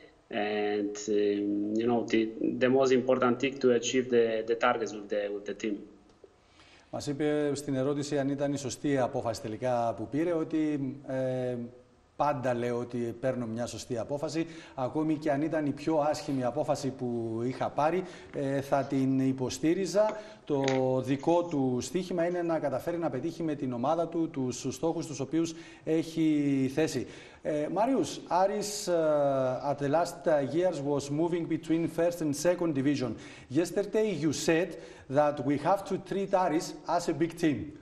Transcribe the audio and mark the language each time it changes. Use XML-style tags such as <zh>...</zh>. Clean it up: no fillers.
<en>And you know, the most important thing to achieve the targets with the team.</en> <el>Μας είπε στην ερώτηση αν ήταν η σωστή απόφαση τελικά που πήρε ότι. Πάντα λέω ότι παίρνω μια σωστή απόφαση. Ακόμη και αν ήταν η πιο άσχημη απόφαση που είχα πάρει, θα την υποστήριζα. Το δικό του στοίχημα είναι να καταφέρει να πετύχει με την ομάδα του τους στόχους τους οποίους έχει θέσει.</el> <en>Μάριους, Άρης, at the last years was moving between first and second division. Yesterday you said that we have to treat Aris as a big team.</en>